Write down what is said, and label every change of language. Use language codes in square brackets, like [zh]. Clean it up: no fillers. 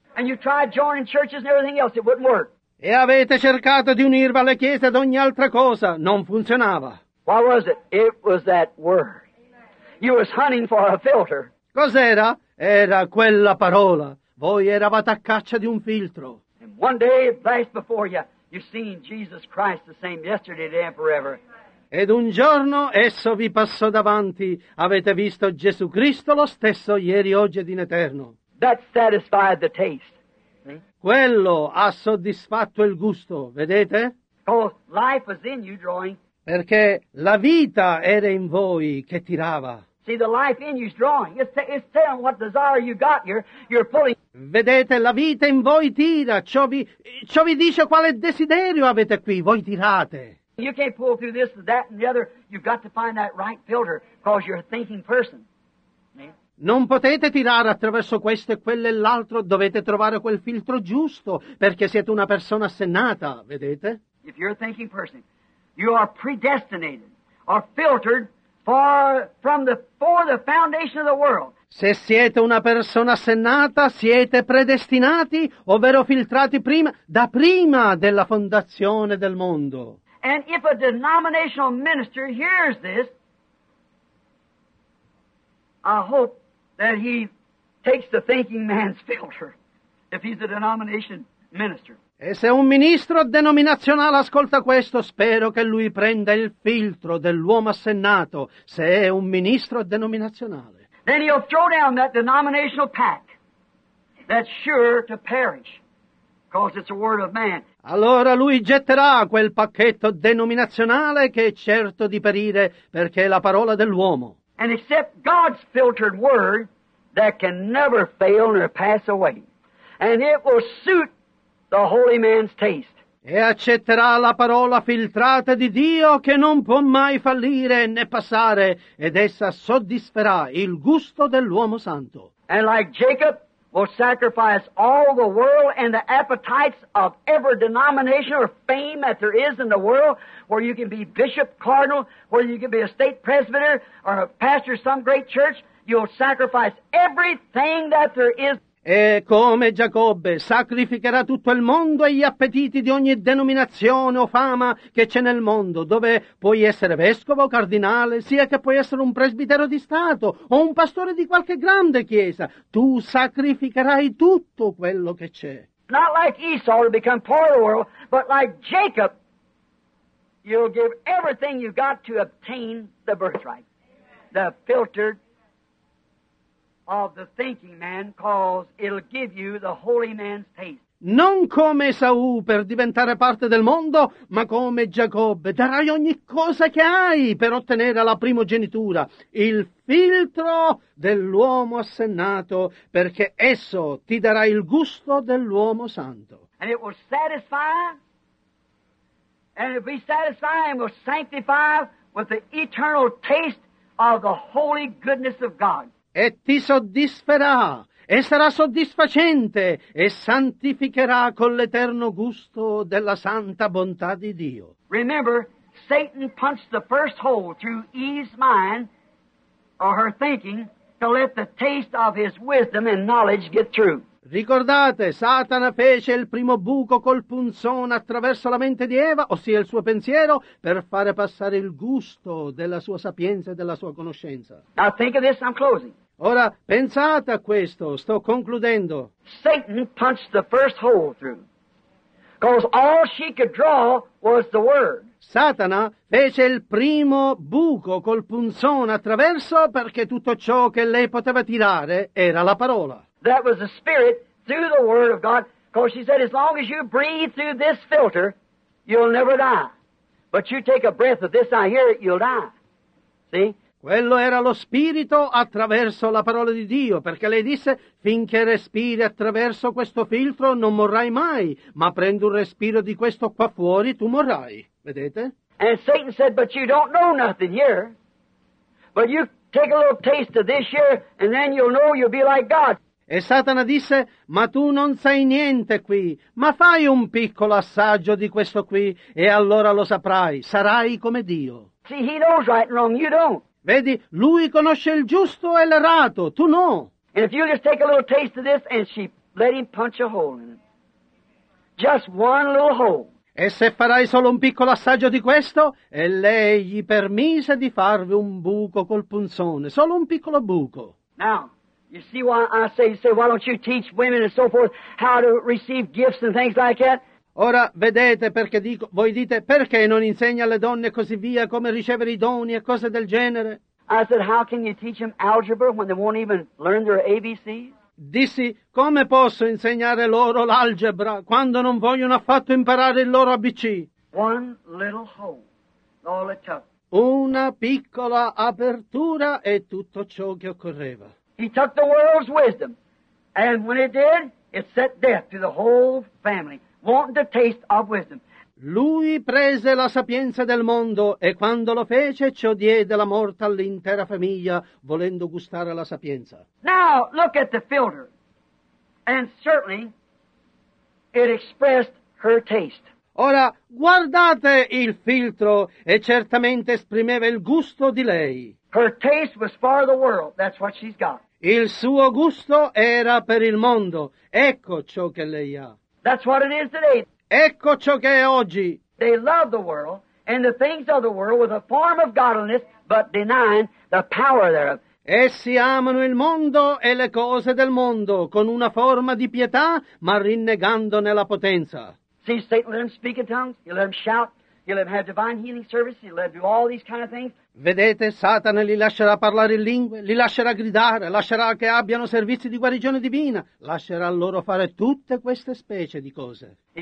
[en] And you tried joining churches and everything else, it wouldn't work. [it] E avete cercato di unirvi alle chiese ed ogni altra cosa, non funzionava. [en] What was it? It was that word. You was hunting for a filter. [it] Cos'era? Era quella parola. Voi eravate a caccia di un filtro. [en] And one day, right before you, you've seen Jesus Christ the same yesterday, today, and forever. [it] Ed un giorno esso vi passò davanti. Avete visto Gesù Cristo lo stesso ieri, oggi ed in eterno. [en] That satisfied the taste. [it] Quello ha soddisfatto il gusto, vedete? [en] Because life was in you drawing. [it] Perché la vita era in voi che tirava. [en] See, the life in you is drawing. It's telling what desire you got here. You're pulling. [it] Vedete, la vita in voi tira. Ciò vi dice quale desiderio avete qui. Voi tirate. [en] You can't pull through this, that, and the other. You've got to find that right filter because you're a thinking person. [it] Non potete tirare attraverso questo e quello e l'altro. Dovete trovare quel filtro giusto perché siete una persona assennata. Vedete? [en] If you're a thinking person, you are predestinated or filtered for the foundation of the world. [it] Se siete una persona assennata, siete predestinati, ovvero filtrati prima, da prima della fondazione del mondo. [en] And if a denominational minister hears this, I hope that he takes the thinking man's filter, if he's a denomination minister. [it] E se un ministro denominazionale ascolta questo, spero che lui prenda il filtro dell'uomo assennato, se è un ministro denominazionale. [en] Then he'll throw down that denominational pack that's sure to perish because it's a word of man. [it] Allora lui getterà quel pacchetto denominazionale che è certo di perire perché è la parola dell'uomo. [en] And accept God's filtered word that can never fail nor pass away. And it will suit the holy man's taste. [it] E accetterà la parola filtrata di Dio che non può mai fallire né passare, ed essa soddisferà il gusto dell'uomo santo. [en] And like Jacob will sacrifice all the world and the appetites of every denomination or fame that there is in the world, where you can be bishop, cardinal, where you can be a state presbyter or a pastor of some great church, you'll sacrifice everything that there is. [it] E come Giacobbe sacrificherà tutto il mondo agli appetiti di ogni denominazione o fama che c'è nel mondo, dove puoi essere vescovo o cardinale, sia che puoi essere un presbitero di Stato o un pastore di qualche grande chiesa, tu sacrificherai tutto quello che c'è. [en] Not like Esau to become part of the world, but like Jacob, you'll give everything you've got to obtain the birthright, the filtered of the thinking man, cause it'll give you the holy man's taste. [it] Non come Esau per diventare parte del mondo, ma come Giacobbe darai ogni cosa che hai per ottenere la primogenitura, il filtro dell'uomo assennato, perché esso ti darà il gusto dell'uomo santo. [en] And it will satisfy, and it will be satisfied and will sanctify with the eternal taste of the holy goodness of God. [it] E ti soddisferà, e sarà soddisfacente, e santificherà con l'eterno gusto della santa bontà di Dio. [en] Remember, Satan punched the first hole through Eve's mind, or her thinking, to let the taste of his wisdom and knowledge get through. [it] Ricordate, Satana fece il primo buco col punzone attraverso la mente di Eva, ossia il suo pensiero, per fare passare il gusto della sua sapienza e della sua conoscenza. [en] Now think of this, I'm closing. [it] Ora pensate a questo, sto concludendo. [en] Satan punched the first hole through, because all she could draw was the word. [it] Satana fece il primo buco col punzone attraverso perché tutto ciò che lei poteva tirare era la parola. [en] That was the spirit through the word of God, because she said, as long as you breathe through this filter, you'll never die. But you take a breath of this, I hear it, you'll die. See? [it] Quello era lo spirito attraverso la parola di Dio, perché lei disse, finché respiri attraverso questo filtro non morrai mai, ma prendi un respiro di questo qua fuori, tu morrai. Vedete? [en] And Satan said, but you don't know nothing here. But you take a little taste of this here, and then you'll know you'll be like God. [it] E Satana disse, ma tu non sai niente qui, ma fai un piccolo assaggio di questo qui, e allora lo saprai, sarai come Dio. [en] See, he knows right and wrong, you don't. [it] Vedi, lui conosce il giusto e l'errato, tu no. [en] And if you just take a little taste of this, and she let him punch a hole in it. Just one little hole. [it] E se farai solo un piccolo assaggio di questo, e lei gli permise di farvi un buco col punzone, solo un piccolo buco. [en] Now, you see why I say, you say, why don't you teach women and so forth how to receive gifts and things like that? [it] Ora vedete perché dico, voi dite, perché non insegna alle donne così via come ricevere i doni e cose del genere? [en] I said, how can you teach them algebra when they won't even learn their ABCs? [it] Dissi, come posso insegnare loro l'algebra quando non vogliono affatto imparare il loro ABC? [en] One little hole, all it took. [it] Una piccola apertura e tutto ciò che occorreva. [en] He took the world's wisdom, and when it did, it set death to the whole family. Want the taste of wisdom. [it] Lui prese la sapienza del mondo e quando lo fece ciò diede la morte all'intera famiglia volendo gustare la sapienza. [en] Now look at the filter. And certainly it expressed her taste. [it] Ora guardate il filtro e certamente esprimeva il gusto di lei. [en] Her taste was for the world. That's what she's got. [it] Il suo gusto era per il mondo. Ecco ciò che lei ha. [en] That's what it is today. [it] Ecco ciò che è oggi. [en] They love the world and the things of the world with a form of godliness, but denying the power thereof. [it] Essi amano il mondo e le cose del mondo con una forma di pietà, ma rinnegandone la potenza. [en] See, Satan let him speak in tongues, he let him shout, he let him have divine healing service, he let him do all these kind of things. [it] Vedete, Satana li lascerà parlare in lingue, li lascerà gridare, lascerà che abbiano servizi di guarigione divina, lascerà loro fare tutte queste specie di cose.